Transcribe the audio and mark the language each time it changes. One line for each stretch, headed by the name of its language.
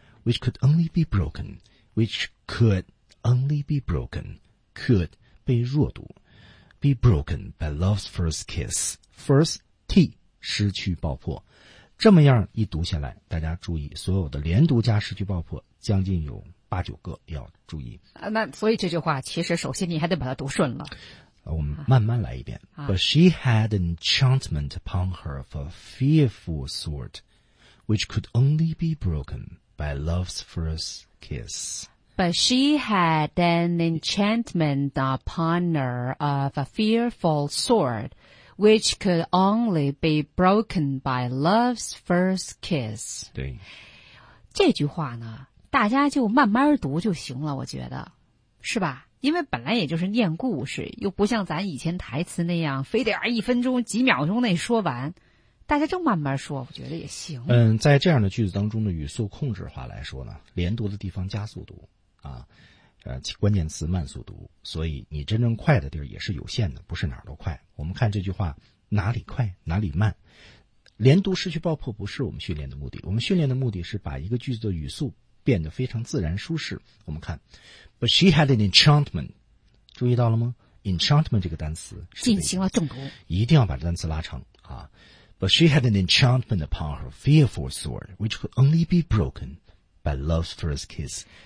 English: Which could only be broken, which could only be broken, could
Chinese: 被弱读
English: ，be broken by love's first kiss, first t
Chinese: 失去爆破，这么样一读下来，大家注意，所有的连读加失去爆破将近有。八九个要注意啊，那所以这句话其实首先你还得把它读顺了。我们慢慢来一遍。啊、
English: But she had an enchantment upon her for fearful sword, which could only be broken by love's first kiss. b But she had an enchantment upon her of a fearful sort, which could only be broken by love's first kiss.
Chinese: 对，这句话呢，大家就慢慢读就行了，我觉得，是吧？因为本来也就是念故事，又不像咱以前台词那样，非得一分钟、几秒钟内说完。大家正慢慢说，我觉得也行。嗯，在这样的句子当中的语速控制化来说呢，连读的地方加速读啊，关键词慢速读，所以你真正快的地儿也是有限的，不是哪儿都快。我们看这句话哪里快哪里慢，连读失去爆破不是我们训练的目的，我们训练的目的是把一个句子的语速变得非常自然舒适。我们看
English: But she had an enchantment，
Chinese: 注意到了吗？ Enchantment 这个单词进行了重读，一定要把这单词拉长啊。
English: But she had an enchantment upon her fearful sword, which could only be broken by love's first kiss.